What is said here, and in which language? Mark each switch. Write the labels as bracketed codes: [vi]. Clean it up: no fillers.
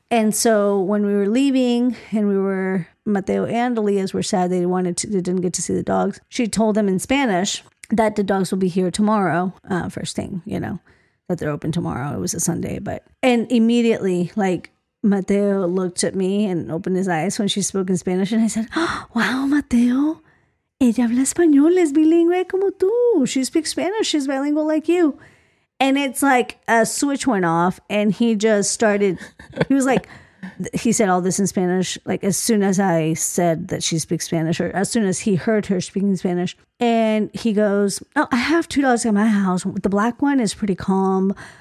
[en] And so when we were leaving and we were, Mateo and Elias were sad they wanted to, they didn't get to see the dogs. She told them in Spanish that the dogs will be here tomorrow. First thing, you know, that they're open tomorrow. It was a Sunday, but, and immediately like Mateo looked at me and opened his eyes when she spoke in Spanish. And I said, oh, wow, Mateo. [es] Ella habla español, es bilingüe como tú. [en] She speaks Spanish, she's bilingual like you. And it's like a switch went off and he just started, he was like, he said all this in Spanish, like as soon as I said that she speaks Spanish or as soon as he heard her speaking Spanish. And he goes, oh, I have two dogs at my house. The black one is pretty calm.